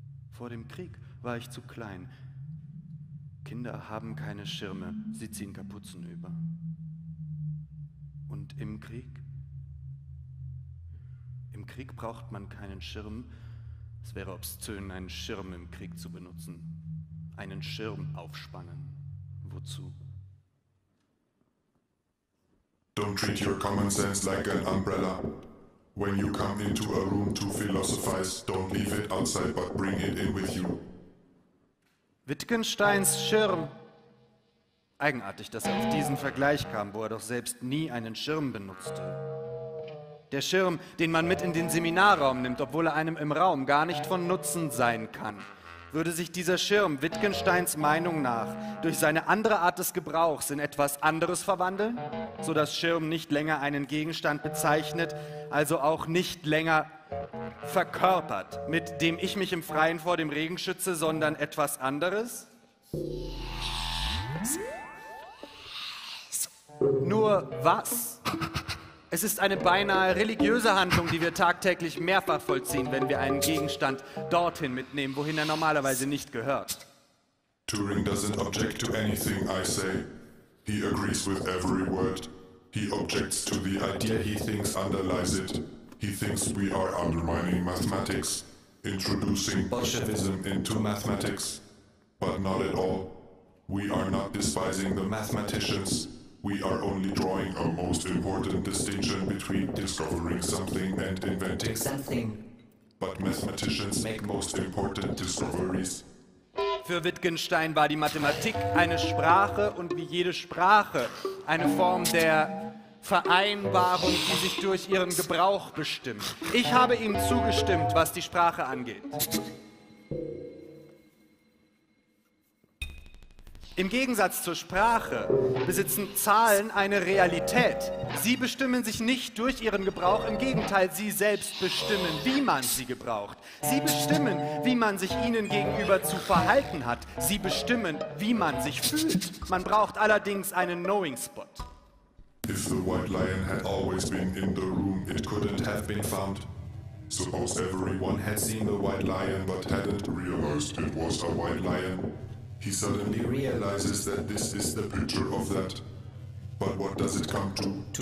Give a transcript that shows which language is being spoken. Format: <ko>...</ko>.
<de>Vor dem Krieg war ich zu klein. Kinder haben keine Schirme, sie ziehen Kapuzen über. Und im Krieg? Im Krieg braucht man keinen Schirm. Es wäre obszön, einen Schirm im Krieg zu benutzen. Einen Schirm aufspannen. Wozu? Don't treat your common sense like an umbrella. When you come into a room to philosophize, don't leave it outside, but bring it in with you. Wittgensteins Schirm. Eigenartig, dass er auf diesen Vergleich kam, wo er doch selbst nie einen Schirm benutzte. Der Schirm, den man mit in den Seminarraum nimmt, obwohl er einem im Raum gar nicht von Nutzen sein kann. Würde sich dieser Schirm Wittgensteins Meinung nach durch seine andere Art des Gebrauchs in etwas anderes verwandeln? So dass Schirm nicht länger einen Gegenstand bezeichnet, also auch nicht länger verkörpert, mit dem ich mich im Freien vor dem Regen schütze, sondern etwas anderes? Nur was? Es ist eine beinahe religiöse Handlung, die wir tagtäglich mehrfach vollziehen, wenn wir einen Gegenstand dorthin mitnehmen, wohin er normalerweise nicht gehört.</de> <en>Turing doesn't object to anything I say. He agrees with every word. He objects to the idea he thinks underlies it. He thinks we are undermining mathematics, introducing Bolshevism into mathematics. But not at all. We are not despising the mathematicians. We are only drawing a most important distinction between discovering something and inventing something. But mathematicians make most important discoveries.</en> <de>Für Wittgenstein war die Mathematik eine Sprache und wie jede Sprache eine Form der Vereinbarung, die sich durch ihren Gebrauch bestimmt. Ich habe ihm zugestimmt, was die Sprache angeht. Im Gegensatz zur Sprache besitzen Zahlen eine Realität. Sie bestimmen sich nicht durch ihren Gebrauch, im Gegenteil, sie selbst bestimmen, wie man sie gebraucht. Sie bestimmen, wie man sich ihnen gegenüber zu verhalten hat. Sie bestimmen, wie man sich fühlt. Man braucht allerdings einen Knowing Spot.</de> <en>If the white lion had always been in the room, it couldn't have been found. Suppose everyone had seen the white lion, but hadn't realized it was a white lion. He suddenly realizes that this is the picture of that. But what does it come to?</en>